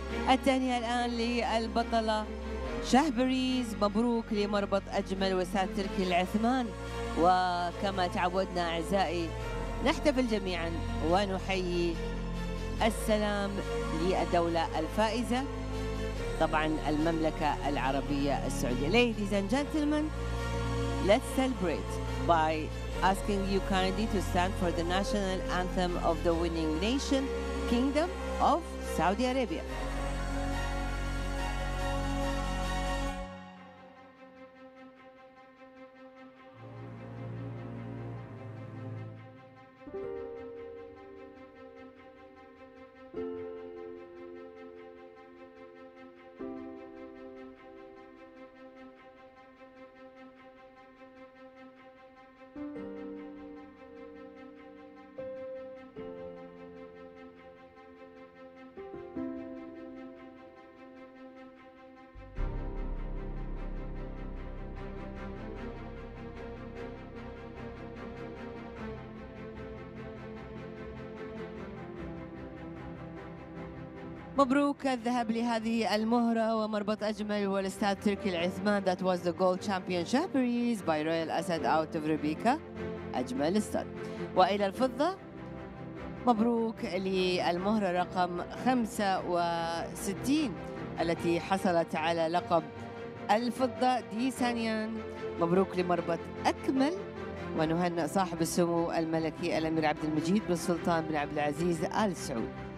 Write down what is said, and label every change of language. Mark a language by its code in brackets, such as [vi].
[ar] التهنئة الآن للبطلة شهبريز، مبروك لمربط أجمل وسات تركي العثمان. وكما تعودنا أعزائي نحتفل جميعا ونحيي السلام للدولة الفائزة طبعا المملكة العربية السعودية. [en] Ladies and gentlemen, let's celebrate by asking you kindly to stand for the national anthem of the winning nation, Kingdom of Saudi Arabia. [ar] مبروك الذهب لهذه المهرة ومربط أجمل والأستاذ تركي العثمان. [en] That was the gold champion Shahbreeze by Royal Asad out of Rebika. [ar] أجمل استاد. وإلى الفضة مبروك للمهرة رقم 65 التي حصلت على لقب الفضة دي سانيان. مبروك لمربط أكمل ونهنئ صاحب السمو الملكي الأمير عبد المجيد بن سلطان بن عبد العزيز آل سعود.